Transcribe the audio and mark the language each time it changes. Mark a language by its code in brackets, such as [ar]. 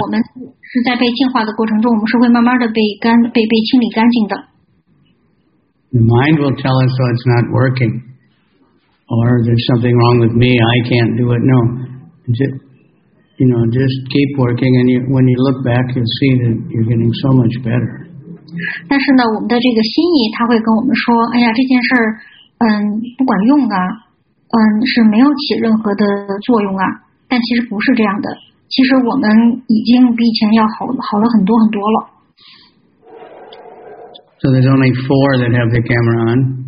[zh] 我们是在被净化的过程中，我们是会慢慢的被清理干净的。 [en] The mind will tell us, oh, it's not working, or there's something wrong with me, I can't do it. No, just keep working, and when you look back, you'll see that you're getting so much better. [zh] 但是呢，我们的这个心意，他会跟我们说，哎呀，这件事儿，不管用啊，是没有起任何的作用啊。但其实不是这样的，其实我们已经比以前要好了很多很多了。 [en] So there's only four that have the camera on.